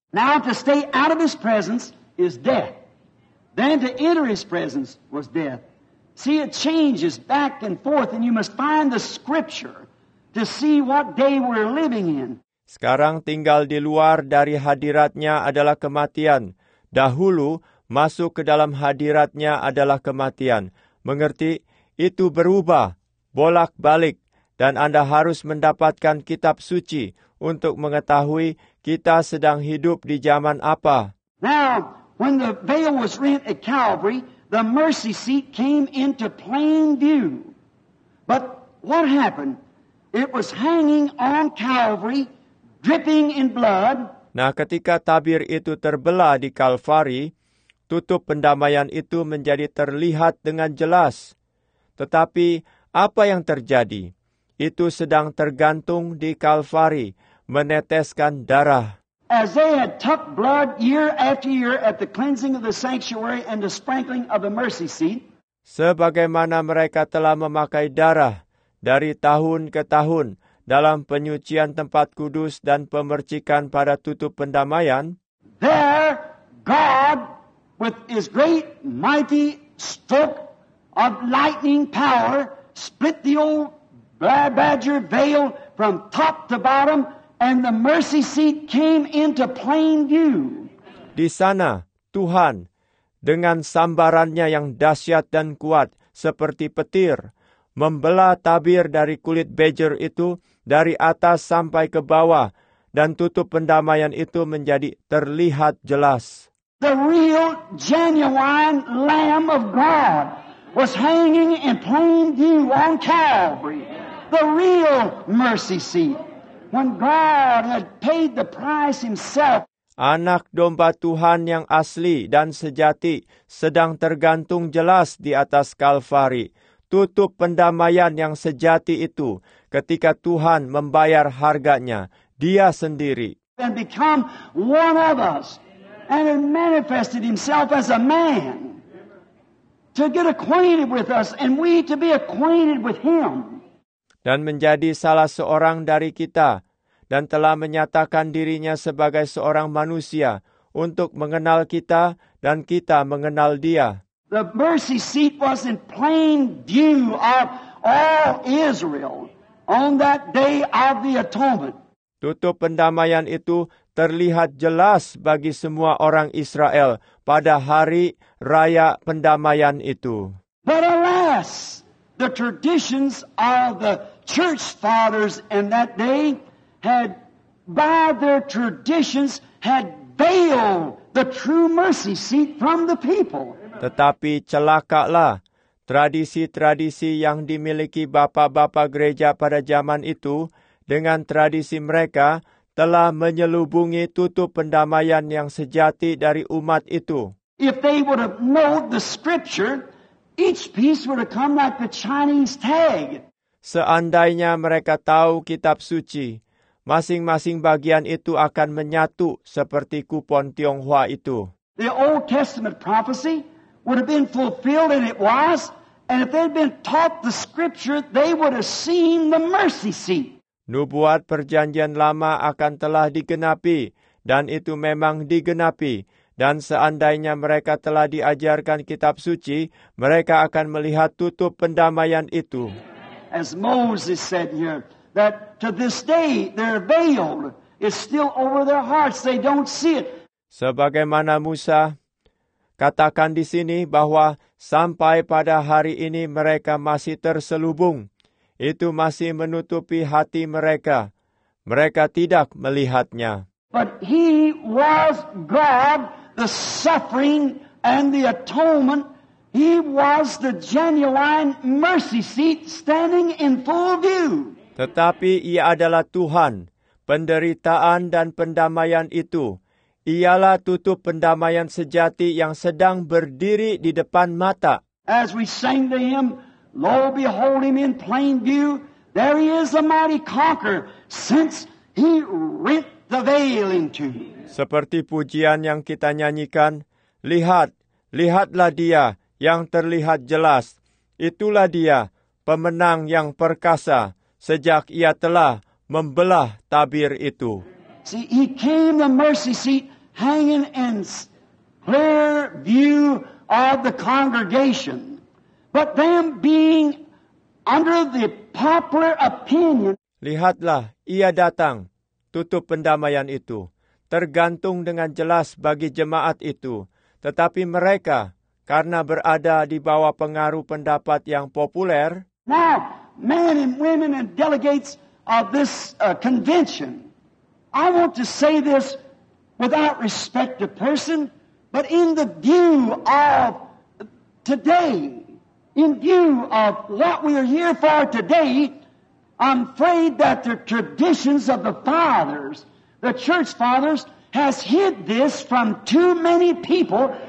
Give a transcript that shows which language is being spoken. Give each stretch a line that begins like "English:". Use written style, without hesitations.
English: Now to stay out of his presence is death. Then to enter his presence was death. See, it changes back and forth, and you must find the scripture to see what day we're living in.
Indonesian: Sekarang tinggal di luar dari hadiratnya adalah kematian. Dahulu, masuk ke dalam hadiratnya adalah kematian. Mengerti? Itu berubah, bolak-balik. Dan Anda harus mendapatkan kitab suci untuk mengetahui kita sedang hidup di zaman apa.
English: Now, when the veil was rent at Calvary, the mercy seat came into plain view. But what happened? It was hanging on Calvary, dripping in blood.
Indonesian: Nah, ketika tabir itu terbelah di Calvary, tutup pendamaian itu menjadi terlihat dengan jelas. Tetapi, apa yang terjadi? Itu sedang tergantung di Calvary, meneteskan darah.
English: As they had tucked blood year after year at the cleansing of the sanctuary and the sprinkling of the mercy seat.
Indonesian: Sebagaimana mereka telah memakai darah dari tahun ke tahun dalam penyucian tempat kudus dan pemercikan pada tutup pendamaian.
English: There, God, with his great mighty stroke of lightning power, split the old badger veil from top to bottom, and the mercy seat came into plain view.
Indonesian: Di sana, Tuhan, dengan sambarannya yang dahsyat dan kuat seperti petir, membelah tabir dari kulit bejer itu dari atas sampai ke bawah, dan tutup pendamaian itu menjadi terlihat jelas.
English: The real, genuine Lamb of God was hanging in plain view on Calvary. The real mercy seat. When God had paid the price himself.
Indonesian: Anak domba Tuhan yang asli dan sejati sedang tergantung jelas di atas Calvary. Tutup pendamaian yang sejati itu ketika Tuhan membayar harganya, dia sendiri.
English: And become one of us. And it manifested himself as a man. To get acquainted with us and we to be acquainted with him.
Indonesian: Dan menjadi salah seorang dari kita, dan telah menyatakan dirinya sebagai seorang manusia, untuk mengenal kita, dan kita mengenal dia.
English: The mercy seat was in plain view of all Israel on that day of the atonement.
Indonesian: Tutup pendamaian itu terlihat jelas bagi semua orang Israel pada hari raya pendamaian itu.
English: But alas, the traditions of the church fathers in that day had, by their traditions, had veiled the true mercy seat from the people.
Indonesian: Tetapi celakalah, tradisi-tradisi yang dimiliki bapak-bapak gereja pada zaman itu dengan tradisi mereka telah menyelubungi tutup pendamaian yang sejati dari umat itu.
English: If they would have known the scripture, each piece would have come like the Chinese tag.
Indonesian: Seandainya mereka tahu kitab suci, masing-masing bagian itu akan menyatu seperti kupon Tionghoa itu.
English: The Old Testament prophecy would have been fulfilled, and it was, and if they'd been taught the scripture, they would have seen the mercy seat.
Indonesian: Nubuat perjanjian lama akan telah digenapi, dan itu memang digenapi. Dan seandainya mereka telah diajarkan kitab suci, mereka akan melihat tutup pendamaian itu.
English: As Moses said here, that to this day their veil is still over their hearts, they don't see it.
Indonesian: Sebagaimana Musa katakan di sini bahwa sampai pada hari ini mereka masih terselubung. Itu masih menutupi hati mereka. Mereka tidak melihatnya.
English: But he was God, the suffering and the atonement. He was the genuine mercy seat standing in full view.
Indonesian: Tetapi ia adalah Tuhan, penderitaan dan pendamaian itu. Ialah tutup pendamaian sejati yang sedang berdiri di depan mata.
English: As we sang to him, lo, behold him in plain view. There he is, a mighty conqueror, since he rent the veil in two.
Indonesian: Seperti pujian yang kita nyanyikan, lihat, lihatlah dia yang terlihat jelas. Itulah dia, pemenang yang perkasa, sejak ia telah membelah tabir itu.
English: See, he came the mercy seat hanging in clear view of the congregation. But them being under the popular opinion.
Indonesian: Lihatlah, ia datang, tutup pendamaian itu, tergantung dengan jelas bagi jemaat itu. Tetapi mereka, karena berada di bawah pengaruh pendapat yang populer.
English: Now, men and women and delegates of this convention, I want to say this without respect to person, but in the view of today, in view of what we are here for today, I'm afraid that the traditions of the fathers, the church fathers, has hid this from too many people.